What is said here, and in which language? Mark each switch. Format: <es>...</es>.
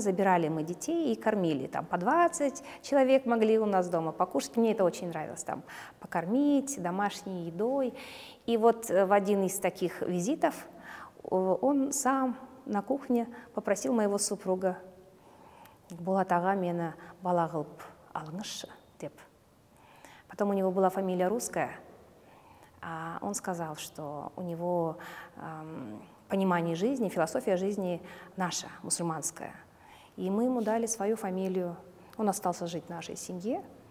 <ru>Забирали мы детей и кормили. Там по 20 человек могли у нас дома покушать. Мне это очень нравилось, там покормить домашней едой. И вот в один из таких визитов он сам на кухне попросил моего супруга.</ru> <kk>Булатаға мені бала қылып алыңызшы. Деп.</kk> <ru>Потом у него была фамилия русская, а он сказал, что у него понимание жизни, философия жизни наша, мусульманская. И мы ему дали свою фамилию, он остался жить в нашей семье.</ru>